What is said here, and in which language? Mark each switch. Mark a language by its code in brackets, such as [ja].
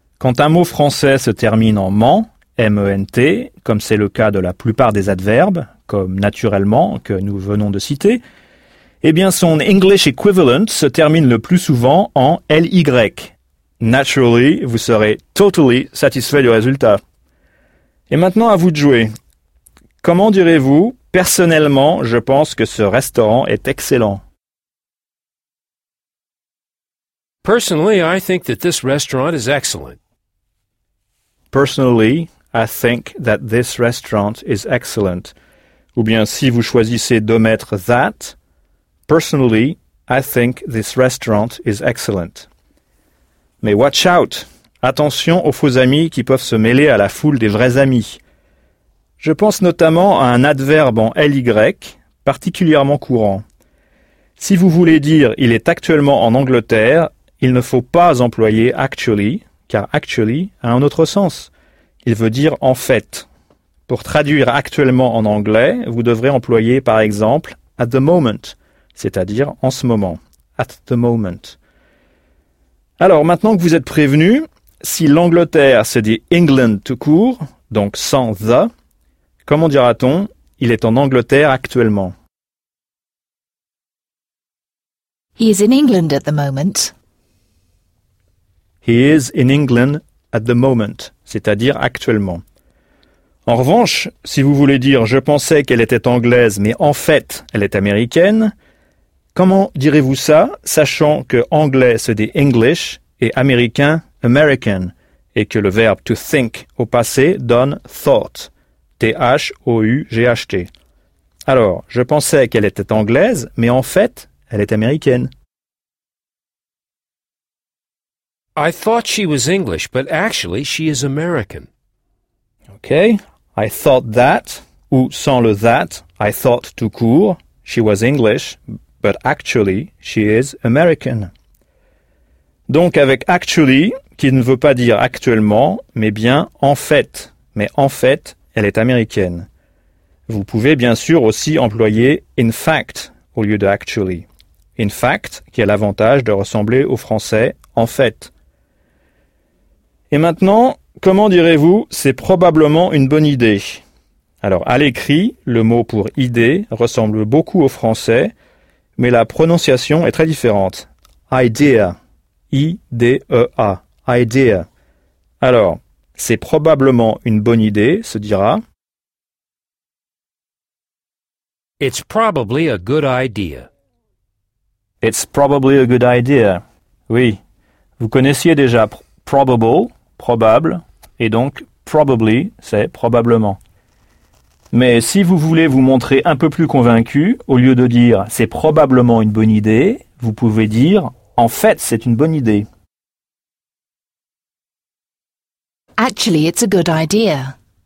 [fr] Quand un mot français se termine en ment, M-E-N-T, comme c'est le cas de la plupart des adverbes, comme naturellement, que nous venons de citer, eh bien son English equivalent se termine le plus souvent en L-Y. Naturally, vous serez totally satisfait du résultat. Et maintenant à vous de jouer. Comment direz-vous « Personnellement, je pense que ce restaurant est excellent. » [en] Personally, I think that this restaurant is excellent. Personally, I think that this restaurant is excellent. Ou bien si vous choisissez d'omettre « that », Personally, I think this restaurant is excellent. Mais watch out! [fr] Attention aux faux amis qui peuvent se mêler à la foule des vrais amis. Je pense notamment à un adverbe en L-Y, particulièrement courant. Si vous voulez dire « il est actuellement en Angleterre », il ne faut pas employer « actually », car « actually » a un autre sens. Il veut dire « en fait ». Pour traduire « actuellement » en anglais, vous devrez employer par exemple « at the moment », c'est-à-dire « en ce moment ».« At the moment ». Alors, maintenant que vous êtes prévenu, si l'Angleterre se dit « England » tout court, donc sans « the », comment dira-t-on « il est en Angleterre actuellement » [en] He is in England at the moment. He is in England at the moment, c'est-à-dire actuellement. [fr] En revanche, si vous voulez dire « je pensais qu'elle était anglaise, mais en fait, elle est américaine », comment direz-vous ça, sachant que « anglais » se dit « English » et « américain » « American » et que le verbe « to think » au passé donne « thought » T-H-O-U-G-H-T. Alors, je pensais qu'elle était anglaise, mais en fait, elle est américaine. [en] I thought she was English, but actually she is American. OK. I thought that, ou sans le that, I thought tout court, she was English, but actually she is American. [fr] Donc, avec actually, qui ne veut pas dire actuellement, mais bien en fait, mais en fait, elle est américaine. Vous pouvez bien sûr aussi employer « in fact » au lieu de « actually ».« In fact » qui a l'avantage de ressembler au français « en fait ». Et maintenant, comment direz-vous « c'est probablement une bonne idée » Alors, à l'écrit, le mot pour « idée » ressemble beaucoup au français, mais la prononciation est très différente. [en] « Idea ». I-D-E-A. « Idea ». [fr] Alors, « c'est probablement une bonne idée », se dira. [en] It's probably a good idea. It's probably a good idea. [fr] Oui, vous connaissiez déjà « probable », »,« probable », et donc « probably », c'est « probablement ». Mais si vous voulez vous montrer un peu plus convaincu, au lieu de dire « c'est probablement une bonne idée », vous pouvez dire « en fait, c'est une bonne idée ». [en] Actually, it's a good idea.